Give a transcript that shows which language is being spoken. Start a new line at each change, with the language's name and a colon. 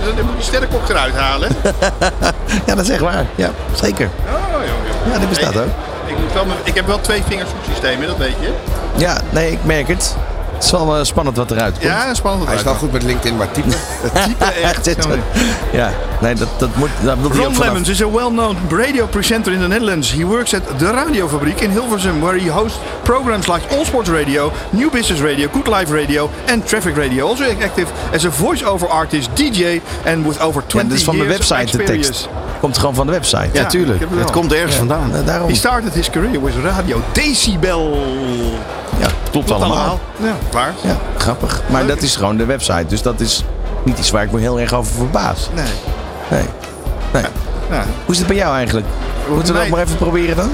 Dutch: Dan moet je sterrenkok eruit halen. Ja, dat is echt waar. Ja, zeker. Oh, joh. Ja, die bestaat ook. Ik heb wel 2-vingersoeksystemen, dat weet je. Ja, nee, ik merk het. Het is wel spannend wat eruit komt. Ja, spannend. Hij is wel goed met LinkedIn, maar typen. Typen echt. Ja, nee, dat moet... Dat wil Ron ook
English: Lemmens is a well-known radio presenter in the Netherlands. He works at the Radiofabriek in Hilversum, where he hosts programs like All Sports Radio, New Business Radio, Good Life Radio
Dutch: en
English: Traffic Radio. Also active as a voice-over artist, DJ and with over 20 years experience.
Dutch: Dat is van de website,
English: experience.
Dutch: De tekst. Komt gewoon van de website. Ja, natuurlijk. Ja, het komt ergens vandaan. Daarom.
English: He started his career with Radio Decibel.
Dutch: Ja, klopt allemaal. Ja, waar? Ja, grappig. Maar leuk. Dat is gewoon de website. Dus dat is niet iets waar ik me heel erg over verbaas. Nee. Nee. Ja. Hoe is het bij jou eigenlijk? Moeten we dat maar even proberen dan?